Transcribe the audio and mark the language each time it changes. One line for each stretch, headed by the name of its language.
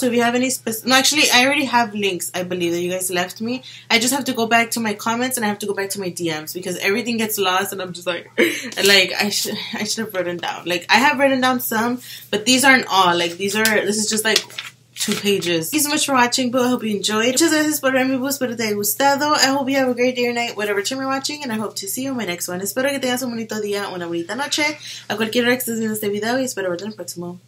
English: So if you have any actually, I already have links, I believe, that you guys left me. I just have to go back to my comments and I have to go back to my DMs because everything gets lost and I'm just like, I should have written down. Like, I have written down some, but these aren't all. Like, this is just like 2 pages. Thank you so much for watching, but I hope you enjoyed.
Spanish: Muchas gracias por ver mi bus, espero que te haya gustado.
English: I hope you have a great day or night, whatever time you're watching, and I hope to see you in my next one.
Spanish: Espero que tengas un bonito día, una bonita noche. A cualquier hora que estés viendo este video, y espero verte en el próximo.